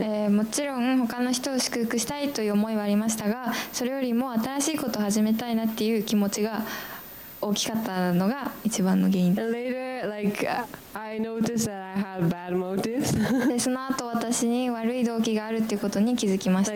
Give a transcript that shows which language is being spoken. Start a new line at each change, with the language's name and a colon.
Japanese: もちろん他の人を祝福したいという思いはありましたが、それよりも新しいことを始めたいなっていう気持ちが大きかったのが一番の原因です。
English: And later, like, I noticed that I had bad motives.
Japanese: で、その後私に悪い動機があるっていうことに気づきました。